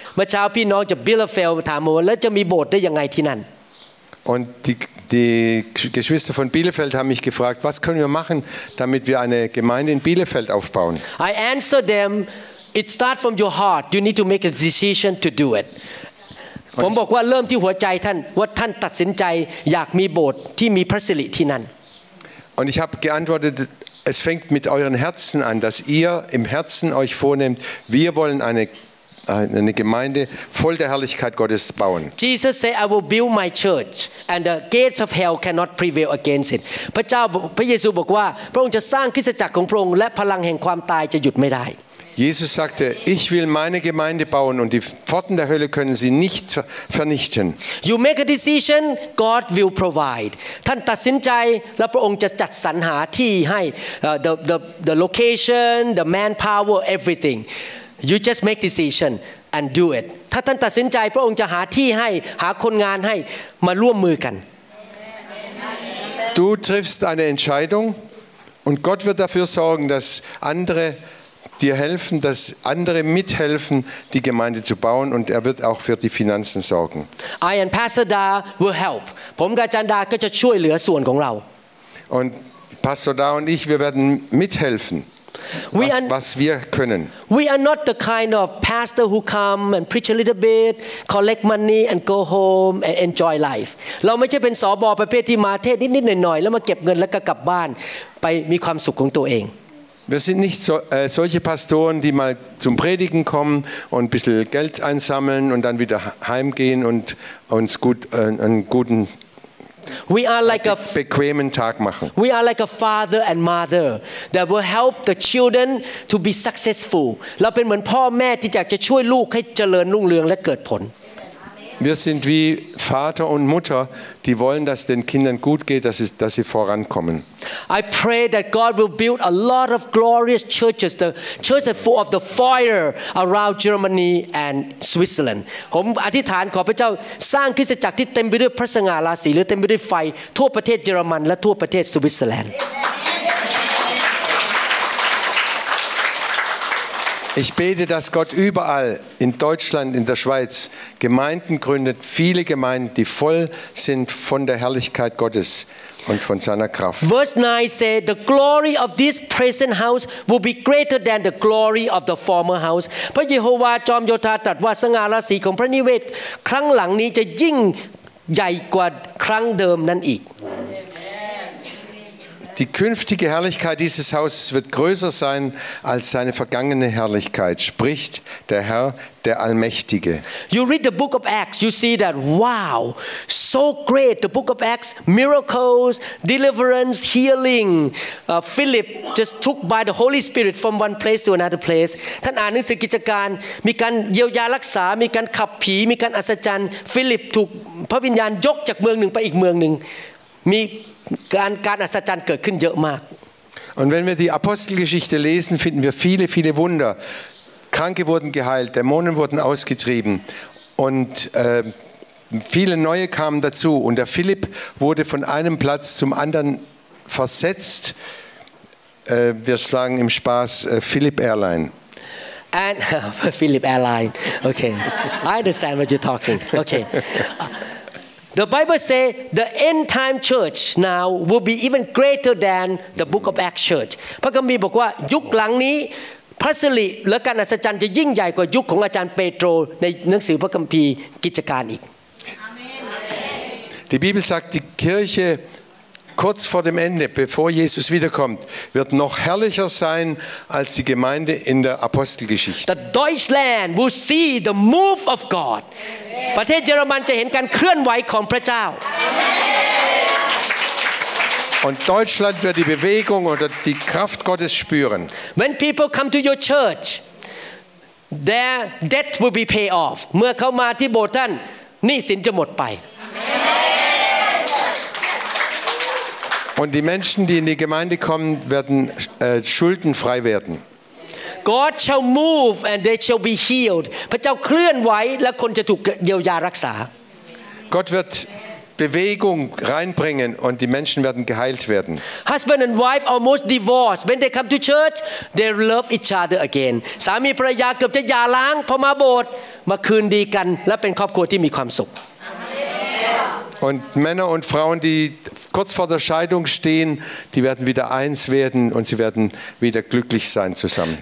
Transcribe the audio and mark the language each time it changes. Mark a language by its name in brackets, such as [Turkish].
[Thai] เมื่อเช้าพี่น้องจาก Bielefeld ถามมาว่าแล้วจะมีโบสถ์ได้ยังไงที่นั่น [German] Und die Geschwister von Bielefeld haben mich gefragt, "Was können wir machen, damit wir eine Gemeinde in Bielefeld aufbauen?" [English] I answered them. It starts from your heart. You need to make a decision to do it. [Thai] ผมบอกว่าเริ่มที่หัวใจท่านว่าท่านตัดสินใจอยากมีโบสถ์ที่มีพระสิริที่นั่น [German] Und ich habe geantwortet, es fängt mit euren Herzen an, dass ihr im Herzen euch vornehmt, wir wollen eine Gemeinde voll der Herrlichkeit Gottes bauen. [English] Jesus said, I will build my church and the gates of hell cannot prevail against it. [Thai] พระเจ้าพระเยซูบอกว่าพระองค์จะสร้างคริสตจักรของพระองค์และพลังแห่งความตายจะหยุดไม่ได้ [German] Jesus sagte, ich will meine Gemeinde bauen und die Pforten der Hölle können sie nicht vernichten. [English] You make a decision, God will provide. [Thai] ท่านตัดสินใจแล้วพระองค์จะจัดสรรหาที่ให้ [English] the location, the manpower, everything. You just make decision and do it. [Thai] ถ้าท่านตัดสินใจพระองค์จะหาที่ให้หาคนงานให้มาร่วมมือกัน [German] Du triffst eine Entscheidung und Gott wird dafür sorgen, dass anderedir helfen, dass andere mithelfen, die Gemeinde zu bauen und wird auch für die Finanzen sorgen. [English] I and Pastor Da will help. [Thai] ผมกับอาจารย์ดาก็จะช่วยเหลือส่วนของเรา [German] Und Pastor Da und ich, wir werden mithelfen, was wir können. [English] We are not the kind of pastor who come and preach a little bit, collect money and go home and enjoy life. [Thai] เราไม่ใช่เป็นสบประเภทที่มาเทศนิดๆหน่อยๆแล้วมาเก็บเงินแล้วก็กลับบ้านไปมีความสุขของตัวเอง [German] Wir sind nicht so, solche Pastoren, die mal zum Predigen kommen und ein bisschen Geld einsammeln und dann wieder heimgehen und uns gut, einen guten, [English] we are like [German] bequemen Tag machen. [English] We are like a father and mother that will help the children to be successful. [Thai] เป็นเหมือนพ่อแม่ที่อยากจะช่วยลูกให้เจริญรุ่งเรืองและเกิดผล [German] Wir sind wie Vater und Mutter, die wollen, dass den Kindern gut geht, dass sie vorankommen. [English] I pray that God will build a lot of glorious churches, the churches full of the fire around Germany and Switzerland. [Thai] ผมอธิษฐานขอพระเจ้าสร้างคริสตจักรที่เต็มไปด้วยพระสง่าราศีหรือเต็มไปด้วยไฟทั่วประเทศเยอรมันและทั่วประเทศสวิตเซอร์แลนด์ [German] Ich bete, dass Gott überall in Deutschland, in der Schweiz Gemeinden gründet, viele Gemeinden, die voll sind von der Herrlichkeit Gottes und von seiner Kraft. [English] Verse 9 says, the glory of this present house will be greater than the glory of the former house. [Thai] พระเยโฮวาห์จอมโยธาตรัสว่าสง่าราศีของพระนิเวศครั้งหลังนี้จะยิ่งใหญ่กว่าครั้งเดิมนั่นอีก [German] Die künftige Herrlichkeit dieses Hauses wird größer sein als seine vergangene Herrlichkeit, spricht der Herr, der Allmächtige. [English] You read the book of Acts, you see that, wow, so great, the book of Acts, miracles, deliverance, healing. Philip just took by the Holy Spirit from one place to another place. [Thai] ท่านอ่านหนังสือกิจการมีการเยียวยารักษามีการขับผีมีการอัศจรรย์ฟิลิปถูกพระวิญญาณยกจากเมืองหนึ่งไปอีกเมืองหนึ่งมีการอัศจรรย์เกิดขึ้นเยอะมาก [German] Und wenn wir die Apostelgeschichte lesen, finden wir viele, viele Wunder. Kranke wurden geheilt, Dämonen wurden ausgetrieben und viele neue kamen dazu. Und der Philipp wurde von einem Platz zum anderen versetzt. Wir schlagen im Spaß Philipp Airline. [English] And Philipp Airline. Okay, I understand what you're talking. Okay. The Bible say the end time church now will be even greater than the book of Acts church. [Thai] พระคัมภีร์บอกว่ายุคหลังนี้พระสิริและการอัศจรรย์จะยิ่งใหญ่กว่ายุคของอาจารย์เปโตรในหนังสือพระคัมภีร์กิจการอีก [German] Die Bibel sagt, die Kirche kurz vor dem Ende, bevor Jesus wiederkommt, wird noch herrlicher sein als die Gemeinde in der Apostelgeschichte. [English] The Deutschland will see the move of God. [Thai] ประเทศเยอรมันจะเห็นการเคลื่อนไหวของพระเจ้า [German] Und Deutschland wird die Bewegung oder die Kraft Gottes spüren. [English] When people come to your church, their debt will be paid off. [Thai] เมื่อเขามาที่โบสถ์ท่านหนี้สินจะหมดไป [German] Und die Menschen, die in die Gemeinde kommen, werden schuldenfrei werden. [English] God shall move and they shall be healed. [Thai] พระเจ้าเคลื่อนไหวและคนจะถูกเยียวยารักษา [German] Gott wird Bewegung reinbringen und die Menschen werden geheilt werden. [English] Husband and wife almost divorced. When they come to church, they love each other again. [Thai] สามีภรรยาเกือบจะหย่าร้างพอมาโบสถ์มาคืนดีกันและเป็นครอบครัวที่มีความสุข [German] Und Männer und Frauen, die kurz vor der Scheidung stehen, die werden wieder eins werden und sie werden wieder glücklich sein zusammen.